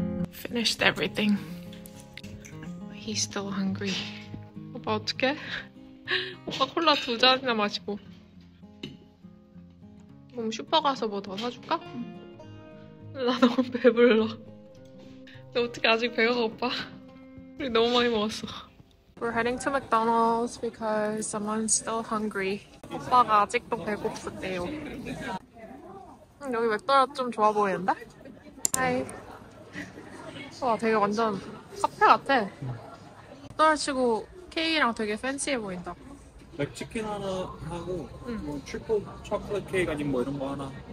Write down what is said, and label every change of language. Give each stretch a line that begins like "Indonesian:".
English: finished everything. He's still hungry.
Korean: 오빠 어떡해? 오빠 콜라 두 잔이나 마시고. 그럼 슈퍼 가서 뭐 더 사줄까? 나 너무 배불러. 너 어떻게 아직 배가 고파? 우리 너무 많이 먹었어.
English: We're heading to McDonald's because someone's still hungry.
Korean: 오빠가 아직도 배고프대요. 여기 맥도날드 좀 좋아 보이는데?
English: Hi.
Korean: 와 되게 완전 카페 같아. 맥도날드 치고 케이크랑 되게 팬시해 보인다. 맥치킨 하나 하고 뭐 트리플 초콜릿 케이크 아니면 뭐 이런 거 하나.